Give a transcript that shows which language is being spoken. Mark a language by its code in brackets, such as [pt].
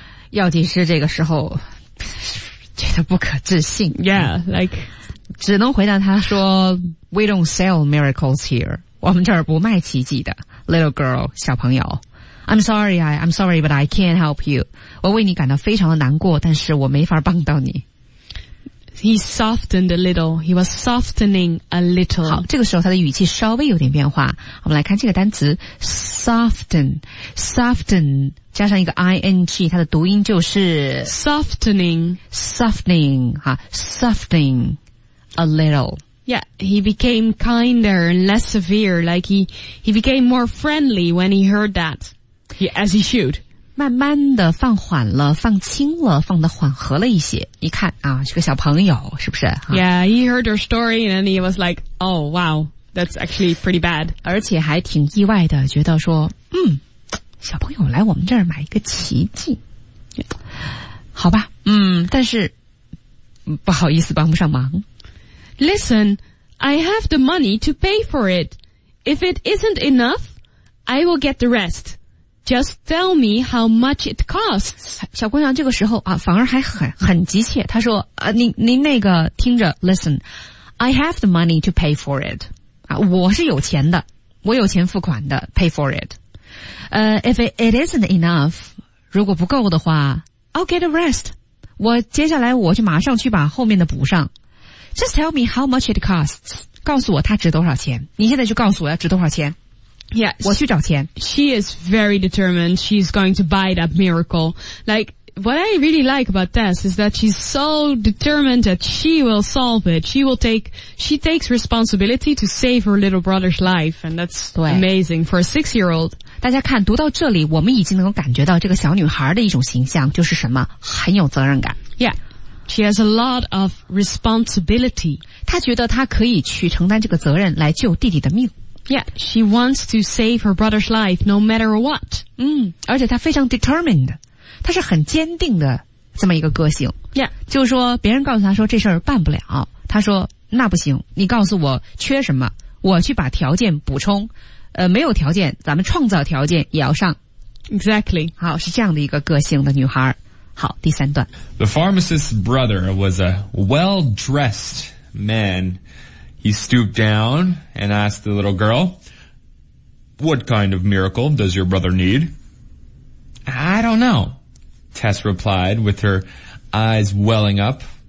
[zh] 药剂师这个时候觉得不可置信。 [en] Yeah, like, [zh] 只能回答他说 [en] We don't sell miracles here. [zh] 我们这儿不卖奇迹的。 [en] Little girl, [zh] 小朋友。 [en] I'm sorry, but I can't help you. [zh] 我为你感到非常的难过，但是我没法帮到你。 [en] He softened a little. He was softening a little. [zh] 好，这个时候他的语气稍微有点变化。我们来看这个单词 soften, soften 加上一个 ing, 它的读音就是 [en] softening, softening, softening a little. Yeah, he became kinder and less severe. Like he became more friendly when he heard that, as he should. [zh] 慢慢的放缓了放轻了放得缓和了一些你看啊是个小朋友是不是、啊、 [en] Yeah, he heard her story and he was like, oh wow, that's actually pretty bad. [zh] 而且还挺意外的觉得说嗯小朋友来我们这儿买一个奇迹。好吧嗯但是不好意思帮不上忙。 [en] Listen, I have the money to pay for it. If it isn't enough, I will get the rest. Just tell me how much it costs. [zh] 小姑娘这个时候啊反而还很急切她说啊您那个听着 [en] listen, I have the money to pay for it. [zh] 啊我是有钱的我有钱付款的 [en] pay for it. If it isn't enough, [zh] 如果不够的话 [en] I'll get a rest. [zh] 我接下来我就马上去把后面的补上。 [en] Just tell me how much it costs. [zh] 告诉我它值多少钱你现在就告诉我要值多少钱。 [en] Yeah, [zh] 我去找钱。 [en] She is very determined. She's going to buy that miracle. Like, what I really like about Tess is that she's so determined that she will solve it. She takes responsibility to save her little brother's life. And that's amazing for a six-year-old. [zh] 大家看，读到这里，我们已经能够感觉到这个小女孩的一种形象，就是什么？很有责任感。 [en] Yeah, she has a lot of responsibility. [zh] 她觉得她可以去承担这个责任来救弟弟的命。 [en] Yeah, she wants to save her brother's life no matter what. [zh] 嗯，而且她非常 determined, 她是很坚定的这么一个个性。 [en] Yeah, [zh] 就是说别人告诉她说这事儿办不了，她说那不行，你告诉我缺什么，我去把条件补充。没有条件，咱们创造条件也要上。 [en] Exactly. [zh] 好，是这样的一个个性的女孩。好，第三段。 [en] The pharmacist's brother was a well-dressed man. He stooped down and asked the little girl, What kind of miracle does your brother need? I don't know, Tess replied with her eyes welling up.